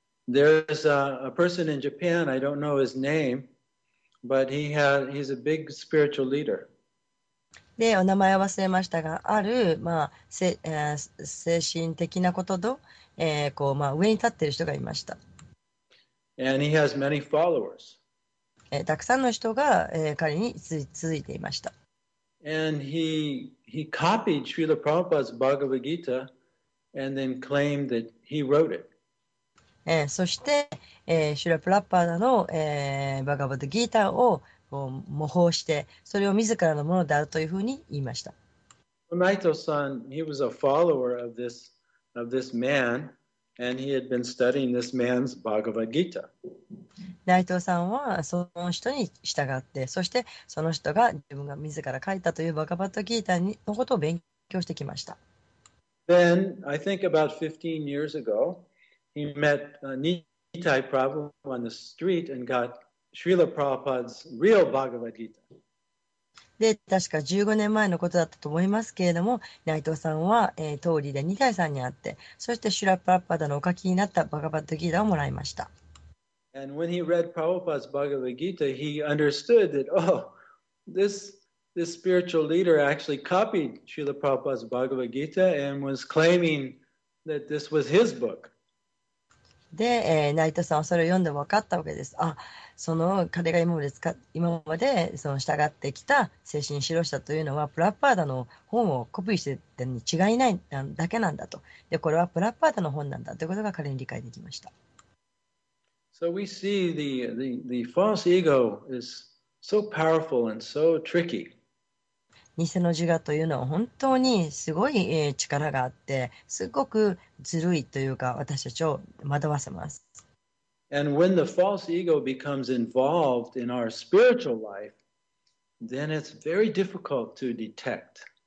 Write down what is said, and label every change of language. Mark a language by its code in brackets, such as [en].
[en] There's a person in Japan, I don't know his name, but he's a big spiritual leader. [ja] で、お名前は忘れましたが、ある、まあ、精神的なことと、こう、まあ、上に立っている人がいました。 [en] And he has many followers. [ja] たくさんの人が、彼に続いていました。 [en] And he copied Srila Prabhupada's Bhagavad Gita and then claimed that he wrote it. [ja] そして、シュラプラッパーダの、バガバドギータを模倣して、それを自らのものであるというふうに言いました。 [en] Naito-san, he was a follower of this man, and he had been studying this man's Bhagavad Gita. [ja] Naito さんはその人に従って、そしてその人が自分が自ら書いたというバガバドギータのことを勉強してきました。 [en] Then, I think about 15 years ago,He met Nitai Prabhu on the street and got Srila Prabhupada's real Bhagavad Gita. [ja] で、確か15年前のことだったと思いますけれども、内藤さんは、通りでニタイさんに会って、そしてシュラプラッパダのお書きになったバガバッドギータをもらいました。 [en] And when he read Prabhupada's Bhagavad Gita, he understood that, oh, this spiritual leader actually copied Srila Prabhupada's Bhagavad Gita and was claiming that this was his book. [ja] で、内藤さんはそれを読んで分かったわけです。あ、その彼が今までその従ってきた精神指導者というのはプラッパーダの本をコピーしてたに違いないだけなんだと。で、これはプラッパーダの本なんだということが彼に理解できました。 [en] So we see the false ego is so powerful and so tricky. [ja] 偽の自我というのは本当にすごい力があって、すごくずるいというか、私たちを惑わせます。 [en] And when the false ego becomes involved in our spiritual life, then it's very difficult to detect.